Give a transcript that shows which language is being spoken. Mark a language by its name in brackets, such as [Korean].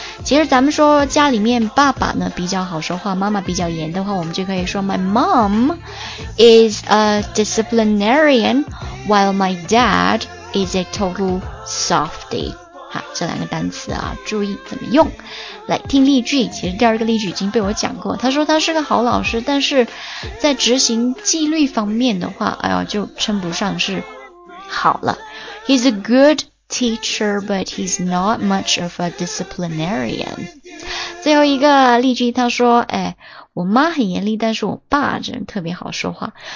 [Chinese] 其实咱们说家里面爸爸呢比较好说话，妈妈比较严的话，我们就可以说 [English] My mom is a disciplinarian while my dad is a total softy。 [Chinese] 好，这两个单词啊，注意怎么用。来听例句，其实第二个例句已经被我讲过，他说他是个好老师，但是在执行纪律方面的话，哎呦，就称不上是好了。 [English] He's a good teacher, but he's not much of a disciplinarian. [Chinese] 最后一个例句，他说，哎，我妈很严厉，但是我爸真的特别好说话。